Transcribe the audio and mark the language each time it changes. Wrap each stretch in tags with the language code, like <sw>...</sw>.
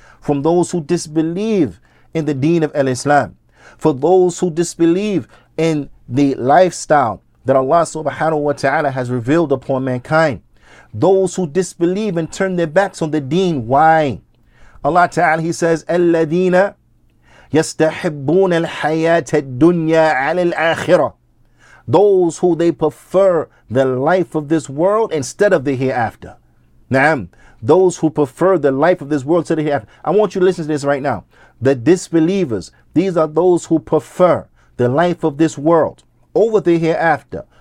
<en>From those who disbelieve in the deen of al-Islam. For those who disbelieve in the lifestyle that Allah Subhanahu Wa Ta'ala has revealed upon mankind. Those who disbelieve and turn their backs on the deen. Why? Allah Ta'ala, he says, Alladina.</en> <ar>يستحبون الحياة الدنيا على الآخرة.</ar> <en>Those who they prefer the life of this world instead of the hereafter. Naam. Those who prefer the life of this world to the hereafter. I want you to listen to this right now. The disbelievers, these are those who prefer the life of this world over the hereafter.</en>